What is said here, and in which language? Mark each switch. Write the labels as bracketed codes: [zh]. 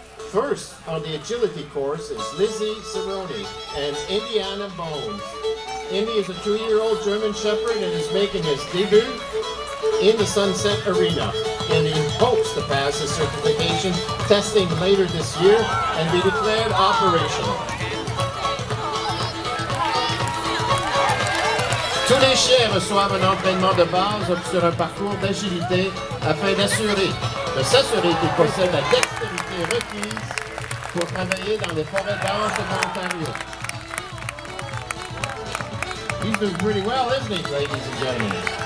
[en] First on the agility course is Lizzie Ceremonies and Indiana Bones. Indy is a two-year-old German Shepherd and is making his debut in the Sunset Arena. Indy hopes to pass his certification testing later this year and be declared operational. [fr] Tous les chiens reçoivent un entraînement de base sur un parcours d'agilité afin de s'assurer qu'ils possèdent la dextérité requise pour travailler dans les forêts denses de l'Ontario. [en] He's doing pretty well, isn't he, ladies and gentlemen?